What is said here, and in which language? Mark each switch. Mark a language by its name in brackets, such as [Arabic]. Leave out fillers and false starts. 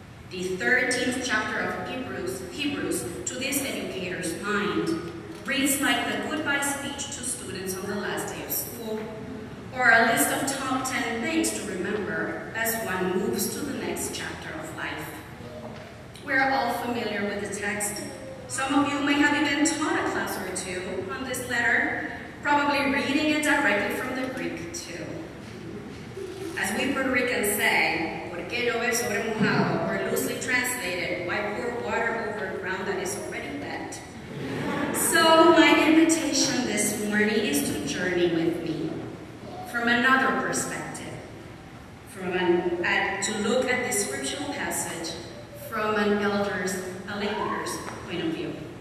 [English] The 13th chapter of Hebrews, to this educator's mind, reads like the goodbye speech to students on the last day of school, or a list of top 10 things to remember as one moves to the next chapter of life. We're all familiar with the text. Some of you may have even taught a class or two on this letter, probably reading it directly from the Greek, too. As we Puerto Ricans say, [Spanish] ¿por qué llover sobre mojado? [English] Or loosely translated, why pour water over ground that is already wet? So my invitation this morning is to journey with me from another perspective, to look at this scriptural passage from an elder's, a laborer's point of view.